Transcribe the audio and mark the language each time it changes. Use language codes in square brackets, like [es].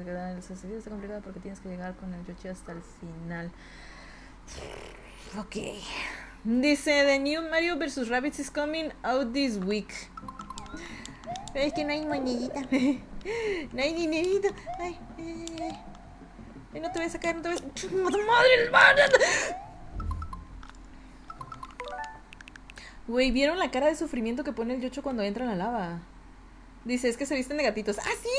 [es] El sencillo está complicado porque tienes que llegar con el Yoshi hasta el final. [en] Ok. Dice, The New Mario vs. Rabbids is coming out this week. [es] Es que no hay monedita. No hay dinerito. Ay, no te voy a sacar, ¡Madre! Güey, ¿vieron la cara de sufrimiento que pone el Yocho cuando entra en la lava? Dice, es que se visten de gatitos. ¡Ah, sí!